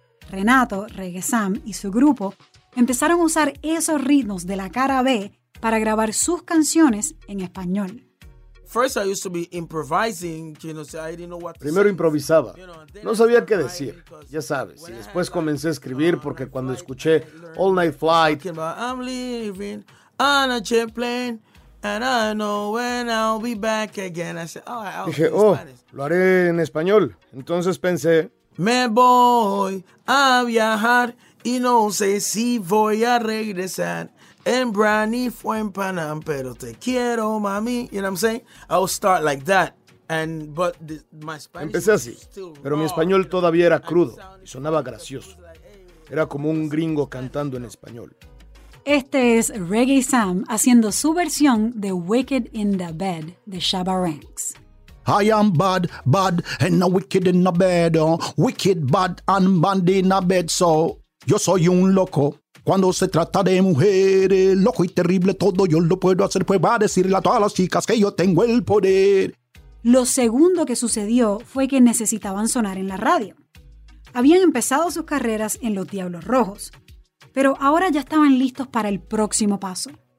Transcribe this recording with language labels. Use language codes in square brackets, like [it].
[es] Renato, Reggae Sam y su grupo empezaron a usar esos ritmos de la cara B para grabar sus canciones en español. Primero improvisaba, no sabía qué decir, ya sabes, y después comencé a escribir porque cuando escuché All Night Flight, [en] I'm leaving on a jet plane and I know when I'll be back again. [es] Dije, oh, lo haré en español. Entonces pensé, me voy a viajar y no sé si voy a regresar. En Brani fue en Panam, pero te quiero, mami. [en] You know what I'm saying? I'll start like that. But my Spanish. [es] Empecé así, pero mi español todavía era crudo y sonaba gracioso. Era como un gringo cantando en español. Este es Reggae Sam haciendo su versión de Wicked in the Bed de Shabba Ranks. [en] I am bad, bad, and a wicked in the bed. Wicked, bad, and bad in the bed. So, [es] yo soy un loco. Cuando se trata de mujeres, loco y terrible todo, yo lo puedo hacer, pues va a decirle a todas las chicas que yo tengo el poder. Lo segundo que sucedió fue que necesitaban sonar en la radio. Habían empezado sus carreras en los Diablos Rojos, pero ahora ya estaban listos para el próximo paso.